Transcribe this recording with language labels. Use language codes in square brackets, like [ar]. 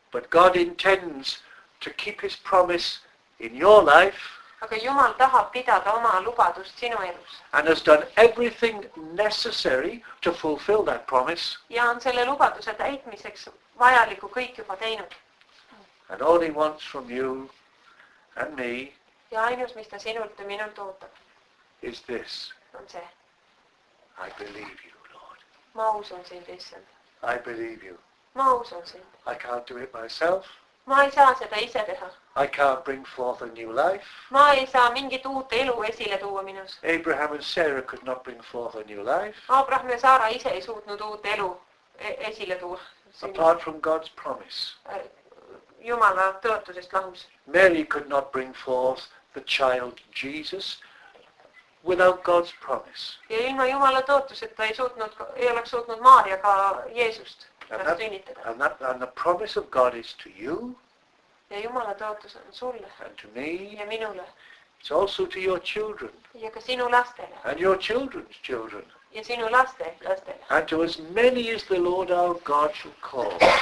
[en] But God intends to keep his promise in your life. [et] Aga Jumal tahab pidada oma lubadust sinu elus. [en] And has done everything necessary to fulfill that promise. [et] Ja on selle lubaduse täitmiseks vajaliku kõik juba teinud. [en] And all he wants from you and me. [et] Ja ainus, mis ta sinult ja minult ootab. [en] Is this. [et] On see. [en] I believe you, Lord. [et] Ma usun sind, Issand. [en] I believe you. [et] Ma usun sind. [en] I can't do it myself. [et] Ma ei saa seda ise teha. [en] I can't bring forth a new life. [et] Ma ei saa mingit uut elu esile tuua minus. [en] Abraham and Sarah could not bring forth a new life. [et] Abraham ja Sarah ise ei suutnud uut elu esile tuua. [en] Apart from God's promise. [et] Jumala tõotusest lahus. [en] Mary could not bring forth the child Jesus without God's promise. [et] Ja ilma Jumala tõotuseta ei oleks suutnud Maaria ka Jeesust. [en] And the promise of God is to you. [et] Ja Jumala tõotus on sulle. [en] And to me. [et] Ja minule. [en] It's also to your children. [et] Ja ka sinu lastele. [en] And your children's children. [et] Ja sinu lastele. [en] And to as many as the Lord our God shall call.